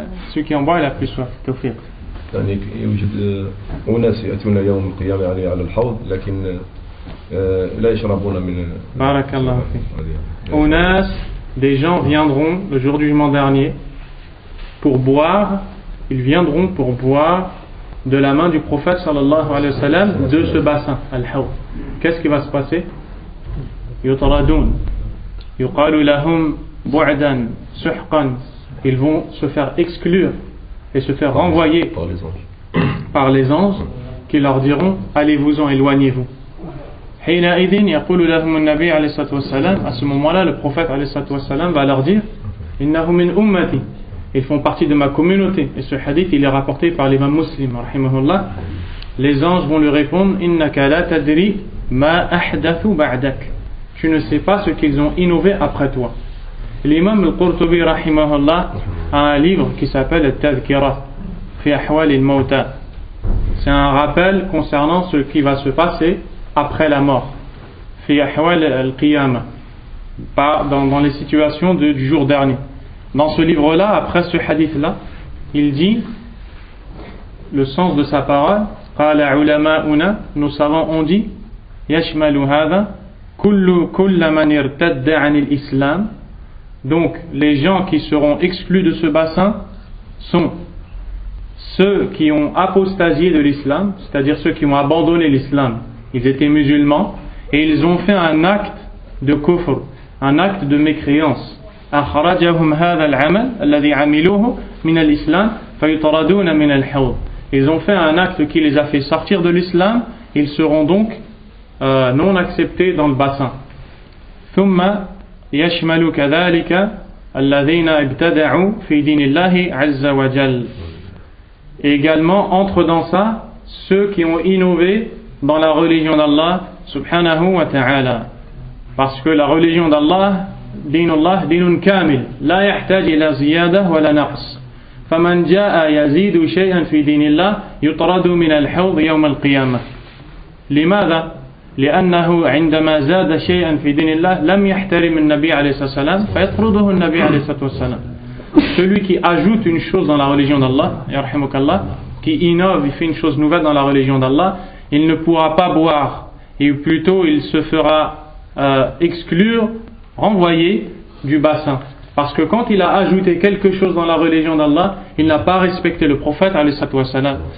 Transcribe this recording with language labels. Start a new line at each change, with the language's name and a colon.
French: Celui qui en boit, il a plus soif. Ouais, celui qui en boit, il a plus soif.
Arabic: يعني يوجد أناس يأتون يوم القيامة عليه على الحوض لكن لا يشربون من بارك الله فيك. أناس،
French: des gens viendront le jour du jugement dernier pour boire. Ils viendront pour boire de la main du prophète sallallahu alayhi wa sallam de ce bassin الحوض. Qu'est-ce qui va se passer؟
Arabic: يطردون يقال لهم بعدا سحقا.
French: Ils vont se faire exclure et se faire renvoyer par les anges qui leur diront allez-vous-en, éloignez-vous.
Arabic: حين اذن يقول لهم النبي عليه الصلاة والسلام.
French: À ce moment-là, le prophète عليه الصلاة والسلام va leur dire
Arabic: إنهم من أمتي.
French: Ils font partie de ma communauté. Et ce hadith, il est rapporté par l'imam Muslim رحمه الله. Les anges vont lui répondre
Arabic: إنك لا تدري ما أحدث بعدك.
French: Tu ne sais pas ce qu'ils ont innové après toi. L'imam al-Qurtubi rahimahullah a un livre qui s'appelle Al-Tadhkira fi ahwal al-mawta. C'est un rappel concernant ce qui va se passer après la mort.
Arabic: Fi ahwal al-qiyama.
French: Pas dans les situations du jour dernier. Dans ce livre-là, après ce hadith-là, il dit le sens de sa parole.
Arabic: Qala ulama'una,
French: nos savants ont dit
Arabic: yashmalu hadha kullu man irtadda 'an al-islam.
French: Donc, les gens qui seront exclus de ce bassin sont ceux qui ont apostasié de l'islam, c'est-à-dire ceux qui ont abandonné l'islam. Ils étaient musulmans et ils ont fait un acte de kufr, un acte de mécréance.
Arabic: أخرجهم هذا العمل الذي عملوه من الإسلام فيطردون من الحوض.
French: Ils ont fait un acte qui les a fait sortir de l'islam. Ils seront donc non acceptés dans le bassin.
Arabic: ثم يشمل كذلك الذين ابتدعوا في دين الله عز وجل.
French: Également entre dans ça ceux qui ont innové dans la religion d'Allah subhanahu wa ta'ala. Parce que la religion d'Allah,
Arabic: دين الله دين كامل لا يحتاج الى زيادة ولا نقص. فمن جاء يزيد شيئا في دين الله يطرد من الحوض يوم القيامة. لماذا؟ لأنه عندما زاد شيئا في دين الله لم يحترم النبي عليه الصلاة والسلام فيطرده النبي عليه الصلاة والسلام.
French: Celui qui ajoute une chose dans la religion d'Allah,
Arabic: يرحمك الله,
French: qui innove, fait une chose nouvelle dans la religion d'Allah, il ne pourra pas boire, et plutôt il se fera exclure, renvoyer du bassin. Parce que quand il a ajouté quelque chose dans la religion d'Allah, il n'a pas respecté le prophète عليه الصلاة والسلام.